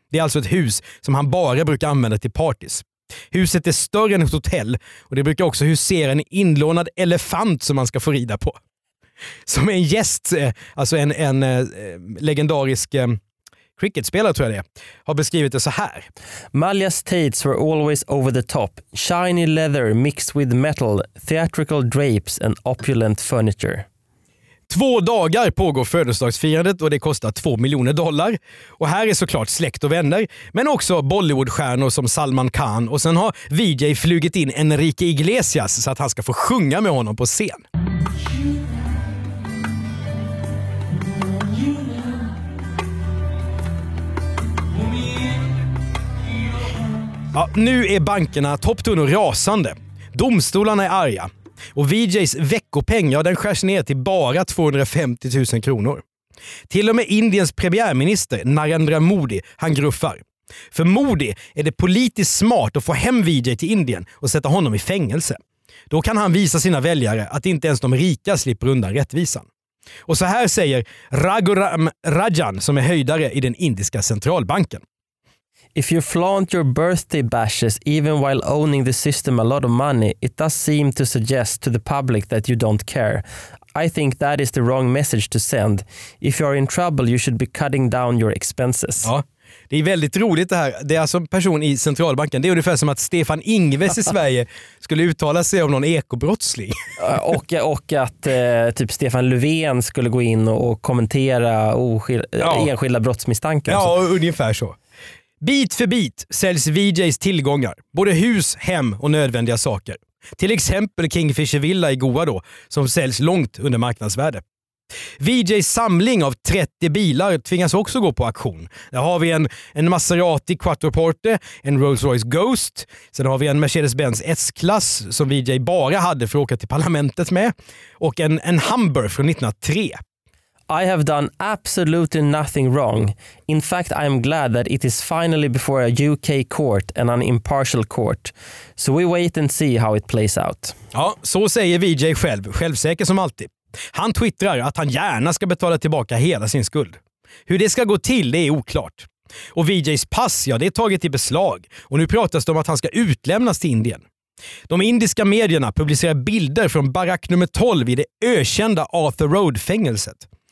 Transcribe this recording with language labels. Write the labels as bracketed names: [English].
[Swedish] Det är alltså ett hus som han bara brukar använda till parties. Huset är större än ett hotell och det brukar också husera en inlånad elefant som man ska få rida på. Som en gäst, alltså en legendarisk... cricketspelare tror jag det är, har beskrivit det så här. [English] Malia's tights were always over the top. Shiny leather mixed with metal, theatrical drapes and opulent furniture. [Swedish] 2 dagar pågår födelsedagsfirandet och det kostar $2 miljoner. Och här är såklart släkt och vänner, men också Bollywoodstjärnor som Salman Khan. Och sen har Vijay flugit in Enrique Iglesias så att han ska få sjunga med honom på scen. Ja, nu är bankerna topptunna och rasande. Domstolarna är arga. Och Vijays veckopeng, ja, den skärs ner till bara 250 000 kronor. Till och med Indiens premiärminister Narendra Modi, han gruffar. För Modi är det politiskt smart att få hem Vijay till Indien och sätta honom i fängelse. Då kan han visa sina väljare att inte ens de rika slipper undan rättvisan. Och så här säger Raghuram Rajan som är höjdare i den indiska centralbanken. [English] If you flaunt your birthday bashes even while owning the system a lot of money, it does seem to suggest to the public that you don't care. I think that is the wrong message to send. If you are in trouble, you should be cutting down your expenses. [Swedish] Ja, det är väldigt roligt det här. Det är alltså en person i centralbanken. Det är ungefär som att Stefan Ingves i Sverige skulle uttala sig om någon ekobrottsling. och att typ Stefan Löfven skulle gå in och kommentera enskilda brottsmisstankar. Ja, ungefär så. Bit för bit säljs Vijays tillgångar, både hus, hem och nödvändiga saker. Till exempel Kingfisher Villa i Goa då, som säljs långt under marknadsvärde. Vijays samling av 30 bilar tvingas också gå på auktion. Där har vi en Maserati Quattroporte, en Rolls Royce Ghost. Sen har vi en Mercedes-Benz S-klass som Vijay bara hade för att åka till parlamentet med. Och en Humber från 1903. [English] I have done absolutely nothing wrong. In fact, I am glad that it is finally before a UK court and an impartial court. So we wait and see how it plays out. [Swedish] Ja, så säger Vijay själv, självsäker som alltid. Han twittrar att han gärna ska betala tillbaka hela sin skuld. Hur det ska gå till, det är oklart. Och Vijays pass, ja, det är taget i beslag. Och nu pratas det om att han ska utlämnas till Indien. De indiska medierna publicerar bilder från barack nummer 12 i det ökända Arthur Road-fängelset.